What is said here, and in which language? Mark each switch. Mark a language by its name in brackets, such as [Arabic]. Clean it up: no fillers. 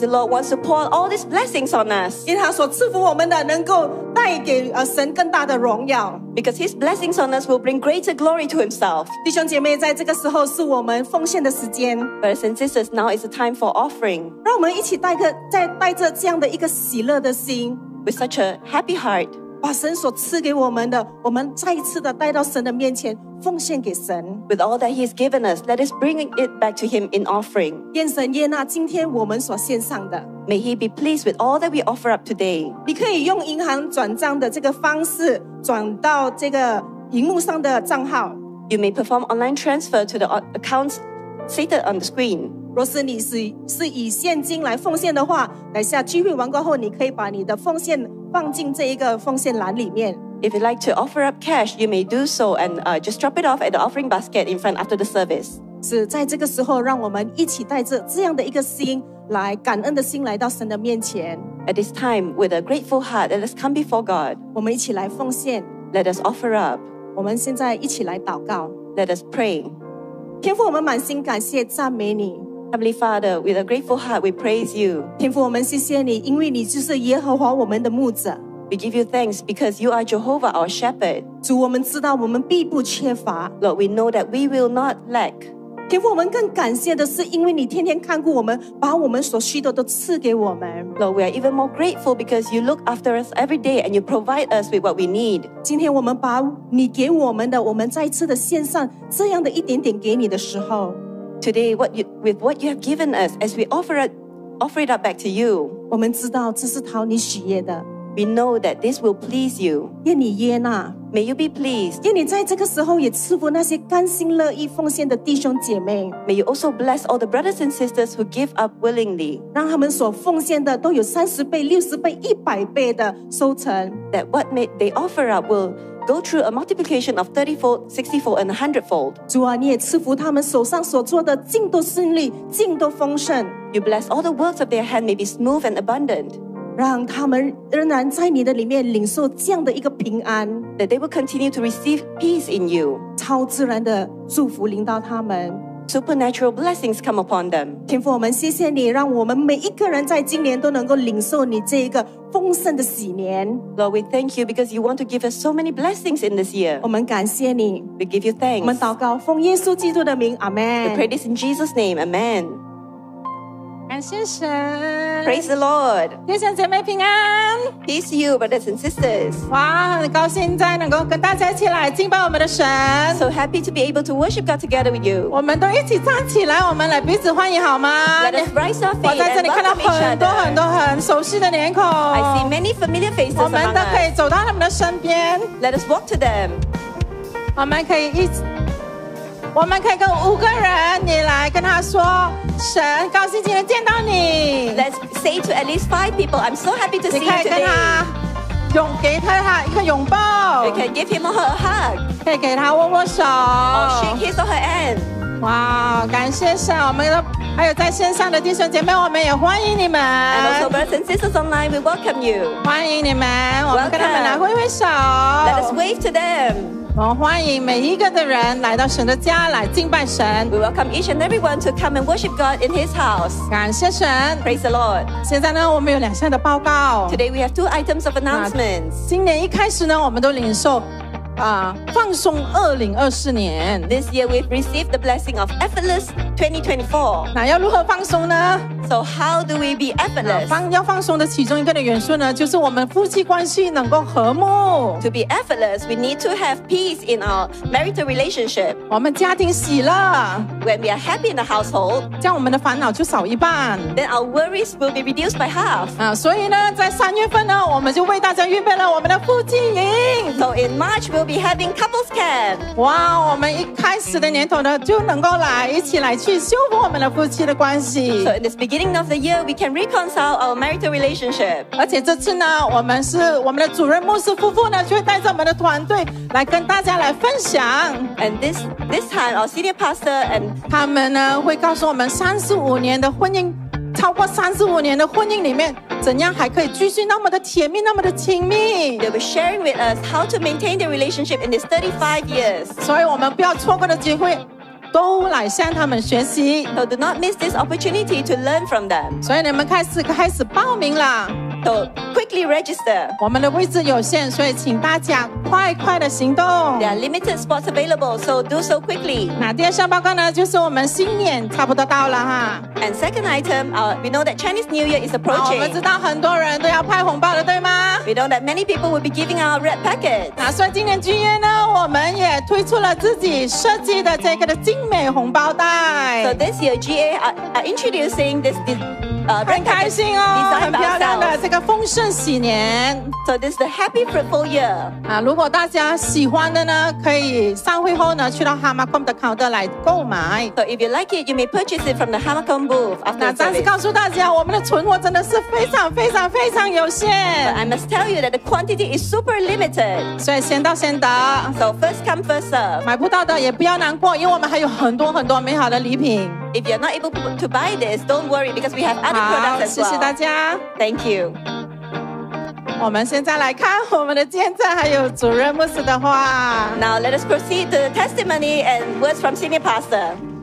[English] the Lord wants to pour all these blessings on us. [Chinese] 因为他所赐福我们的能够带给神更大的荣耀。 [English] Because his blessings on us will bring greater glory to himself. [Chinese] 弟兄姐妹，在这个时候是我们奉献的时间。 [English] Brothers and sisters, now is the time for offering. [Chinese] 让我们一起带着这样的一个喜乐的心。 [English] With such a happy heart. [Chinese] 把神所赐给我们的我们再一次的带到神的面前奉献给神 [English] With all that he has given us let us bring it back to him in offering [Chinese] 愿神悦纳今天我们所献上的 [English] May he be pleased with all that we offer up today [Chinese] 你可以用银行转账的这个方式转到这个荧幕上的账号 [English] You may perform online transfer to the accounts stated on the screen [Chinese] 若是你 是以现金来奉献的话等下聚会完过后你可以把你的奉献放进这一个奉献栏里面 [English] If you'd like to offer up cash you may do so and just drop it off at the offering basket in front after the service [Chinese] 是在这个时候让我们一起带着这样的一个心来感恩的心来到神的面前 [English] At this time with a grateful heart let us come before God [Chinese] 我们一起来奉献 [English] Let us offer up [Chinese] 我们现在一起来祷告 [English] Let us pray [Chinese] 天父我们满心感谢赞美你 [English] Heavenly Father, with a grateful heart, we praise you. [Chinese] 天父，我们谢谢你，因为你就是耶和华我们的牧者。 [English] We give you thanks because you are Jehovah our shepherd. [Chinese] 主，我们知道我们必不缺乏。 [English] Lord, we know that we will not lack. [Chinese] 天父，我们更感谢的是，因为你天天看顾我们，把我们所需的都赐给我们。 [English] Lord, we are even more grateful because you look after us every day and you provide us with what we need. [Chinese] 今天我们把你给我们的，我们再次的献上这样的一点点给你的时候。 [English] Today, with what you have given us, as we offer it up back to you, [Chinese] 我们知道这是讨你喜悦的。 [English] We know that this will please you. [Chinese] 愿你悦纳。 [English] May you be pleased. [Chinese] 愿你在这个时候也赐福那些甘心乐意奉献的弟兄姐妹。 [English] May you also bless all the brothers and sisters who give up willingly. [Chinese] 让他们所奉献的都有30倍、60倍、100倍的收成。 [English] That what they offer up will go through a multiplication of 30-fold, 60-fold, and 100-fold. [Chinese] 主啊，你也赐福他们手上所做的尽都顺利、尽都丰盛。 [English] You bless all the works of their hand may be smooth and abundant. [Chinese] 让他们仍然在你的里面领受这样的一个平安 [English] that they will continue to receive peace in you [Chinese] 超自然的祝福临到他们 [English] supernatural blessings come upon them [Chinese] 天父我们谢谢你让我们每一个人在今年都能够领受你这一个丰盛的喜年 [English] Lord we thank you because you want to give us so many blessings in this year [Chinese] 我们感谢你 [English] we give you thanks [Chinese] 我们祷告奉耶稣基督的名 Amen [English] we pray this in Jesus name AmenPraise the Lord. [Chinese] 弟兄姐妹平安 [English] Peace to you, brothers and sisters. [Chinese] 哇，很高兴再能够跟大家一起来敬拜我们的神 [English] So happy to be able to worship God together with you. [Chinese] 我们都一起站起来，我们来彼此欢迎好吗 [English] Let us rise our feet. [Chinese] 我在这里看到很多很多很熟悉的脸孔 [English] I see many familiar faces among us. [Chinese] 我们都可以走到他们的身边 [English] Let us walk to them. [Chinese] 我们可以一起我们可以跟五个人你来跟他说神高兴今天见到你 [English] Let's say to at least five people I'm so happy to see you today [Chinese] 你可以跟他拥给他一个拥抱 [English] You can give him or her a hug [Chinese] 可以给他握握手 [English] Or shake his or her hand [Chinese] 哇感谢神我们的还有在线上的弟兄姐妹我们也欢迎你们 [English] And also brothers and sisters online we welcome you [Chinese] 欢迎你们 [English] Welcome. [Chinese] 我们跟他们来挥挥手 [English] Let us wave to them [Chinese] 我们欢迎每一个的人来到神的家来敬拜神 [English] We welcome each and everyone to come and worship God in His house [Chinese] 感谢神 [English] Praise the Lord [Chinese] 现在呢我们有两项的报告 [English] Today we have two items of announcements [Chinese] 今年一开始呢我们都领受放松2024年 [English] This year we've received the blessing of effortless 2024 [Chinese] 那要如何放松呢 [English] So how do we be effortless [Chinese] 要放松的其中一个的元素呢就是我们夫妻关系能够和睦 [English] To be effortless we need to have peace in our marital relationship [Chinese] 我们家庭喜乐 [English] When we are happy in the household [Chinese] 这样我们的烦恼就少一半 [English] Then our worries will be reduced by half [Chinese] 所以呢在三月份呢我们就为大家预备了我们的夫妻营 [English] So in MarchWe'll be having couples camp. [Chinese] Wow, 我们一开始的年头呢就能够来一起来去修复我们的夫妻的关系。 [English] So in this beginning of the year, we can reconcile our marital relationship. [Chinese] 而且这次呢，我们的主任牧师夫妇呢，就会带着我们的团队来跟大家来分享。 [English] And this time, our senior pastor and [Chinese] 他们呢会告诉我们超过35年的婚姻里面怎样还可以继续那么的甜蜜那么的亲密 [English] They were sharing with us how to maintain the relationship in these 35 years [Chinese] 所以我们不要错过的机会都来向他们学习 [English] So do not miss this opportunity to learn from them [Chinese] 所以你们开始报名了 [English] So quickly register [Chinese] 我们的位置有限所以请大家快快的行动 [English] There are limited spots available so do so quickly [Chinese] 那第二项报告呢就是我们新年差不多到了哈 [English] And second item we know that Chinese New Year is approaching [Chinese] 我们知道很多人都要派红包了对吗 [English] We know that many people will be giving out red packets [Chinese] 那所以今年军业呢我们也推出了自己设计的这个的精美红包袋 [English] So this year GA are introducing this [Chinese] 很开心哦很漂亮的这个丰盛喜年 [English] So this is the happy fruitful year [Chinese] 如果大家喜欢的呢可以上会后呢去到 Hamacom 的 counter 来购买 [English] So if you like it you may purchase it from the Hamacom booth [Chinese] 那暂时告诉大家我们的存货真的是非常非常非常有限 [English] But I must tell you that the quantity is super limited [Chinese] 所以先到先得 [English] So first come first serve [Chinese] 买不到的也不要难过因为我们还有很多很多美好的礼品 [English] If you're not able to buy this, don't worry because we have other products as well. [Chinese] 好，谢谢大家。 [English] Thank you. [Chinese] 我们现在来看我们的见证还有主任牧师的话。 [English] Now let us proceed to the testimony and words from senior pastor.